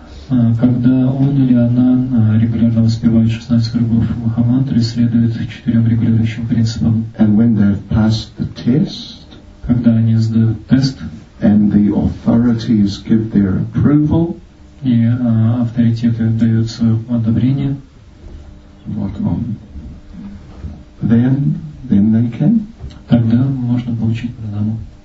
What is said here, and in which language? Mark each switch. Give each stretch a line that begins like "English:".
Russian: когда он или она регулярно воспевает 16 кругов махамантры, следует четырем регулирующим принципам.
English: And when they have passed the test,
Russian: когда они сдают тест,
English: and the authorities give their approval,
Russian: и авторитеты дают свое одобрение,
English: then they can.
Russian: Тогда можно получить пранаму.